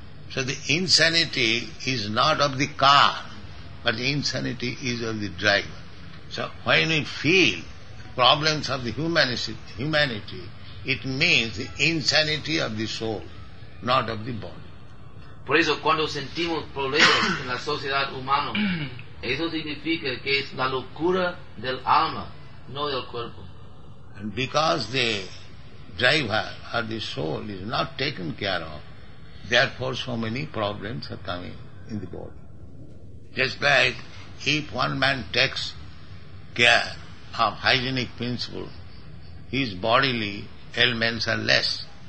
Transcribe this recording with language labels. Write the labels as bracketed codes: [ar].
[en] So the insanity is not of the car, but the insanity is of the driver. So when we feel problems of the humanity, it means the insanity of the soul, not of the body. [es] Por eso, cuando sentimos problemas en la sociedad humana, eso significa que es la locura del alma, no del cuerpo. [en] And because the driver or the soul is not taken care of, therefore so many problems are coming in the body. Just like if one man takes care of hygienic principle, his bodily ailments are less.